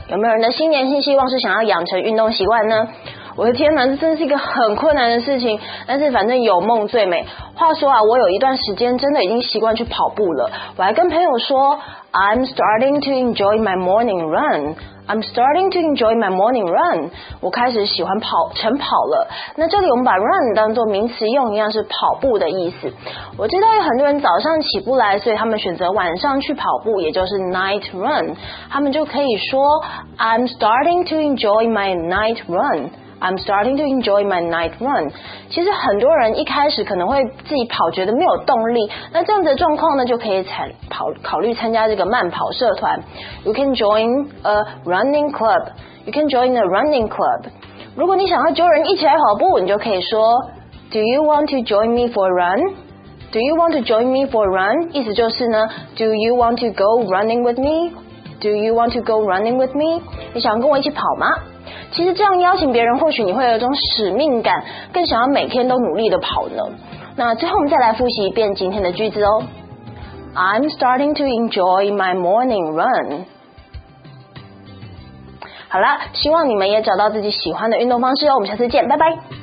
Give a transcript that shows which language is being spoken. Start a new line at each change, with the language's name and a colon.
Chinese: 有没有人的新年新希望是想要养成运动习惯呢？我的天哪，这真是一个很困难的事情。但是反正有梦最美。话说啊，我有一段时间真的已经习惯去跑步了。我还跟朋友说
English: ，I'm starting to enjoy my morning run. I'm starting to enjoy my morning run.
Chinese: 我开始喜欢跑晨跑了。那这里我们把 run 当作名词用，一样是跑步的意思。我知道有很多人早上起不来，所以他们选择晚上去跑步，也就是 night run. 他们就可以说
English: I'm starting to enjoy my night run. I'm starting to enjoy my night run.
Chinese: 其实很多人一开始可能会自己跑觉得没有动力，那这样子的状况呢，就可以考虑参加这个慢跑社团。
English: You can join a running club. You can join a running club.
Chinese: 如果你想要揪人一起来跑步，你就可以说
English: Do you want to join me for a run? Do you want to join me for a run?
Chinese: 意思就是呢
English: Do you want to go running with me? Do you want to go running with me?
Chinese: 你想跟我一起跑吗？其实这样邀请别人，或许你会有一种使命感，更想要每天都努力的跑呢。那最后我们再来复习一遍今天的句子哦。
English: I'm starting to enjoy my morning run.
Chinese: 好了，希望你们也找到自己喜欢的运动方式哦。我们下次见，拜拜。